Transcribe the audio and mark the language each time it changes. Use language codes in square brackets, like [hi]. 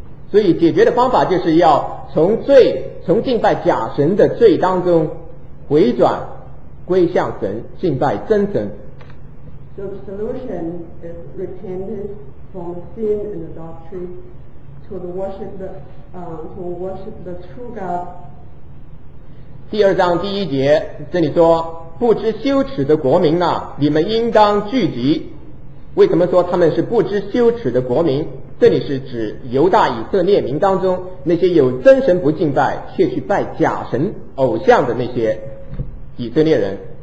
[zh] 所以解决的方法就是要从罪，从敬拜假神的罪当中回转归向神，敬拜真神。 [en] So the solution is repentance from sin and adultery to worship the true God. [zh] 第二章第一节，这里说，不知羞耻的国民啊，你们应当聚集。为什么说他们是不知羞耻的国民？这里是指犹大以色列民当中那些有真神不敬拜却去拜假神偶像的那些以色列人。